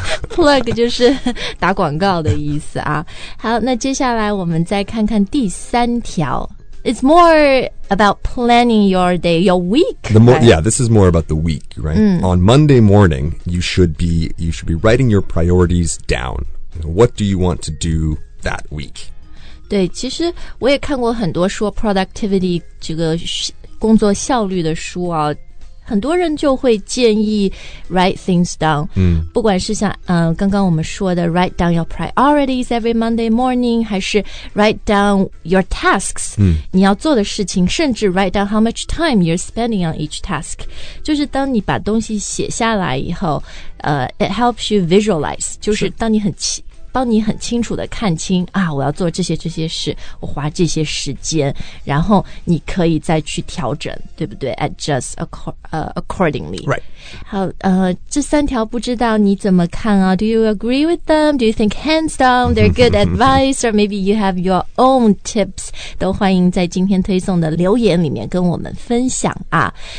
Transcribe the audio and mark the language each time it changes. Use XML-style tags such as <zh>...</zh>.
<zh>Plug 就是打广告的意思啊好那接下来我们再看看第三条</zh> <en>It's more about planning your day, your week. This is more about the week, right? Mm. On Monday morning, you should be writing your priorities down. What do you want to do that week?</en> <zh>对，其实我也看过很多说 productivity 这个工作效率的书啊，很多人就会建议</zh> <en>write things down。嗯，</en> <zh>不管是像刚刚我们说的</zh> <en>write down your priorities every Monday morning，</en> <zh>还是</zh> <en>write down your tasks，嗯，</en> <zh>你要做的事情，甚至</zh> <en>write down how much time you're spending on each task，</en> <zh>就是当你把东西写下来以后，</zh> <en>it helps you visualize，</en> <zh>就是当你很帮你很清楚地看清啊，我要做这些事，我花这些时间，然后你可以再去调整，对不对 ？</zh> <en>Adjust accordingly. Right.</en> <zh>好，这三条不知道你怎么看啊 ？</zh> <en>Do you agree with them? Do you think hands down they're good advice, or maybe you have your own tips?</en> <zh>都欢迎在今天推送的留言里面跟我们分享啊。</zh>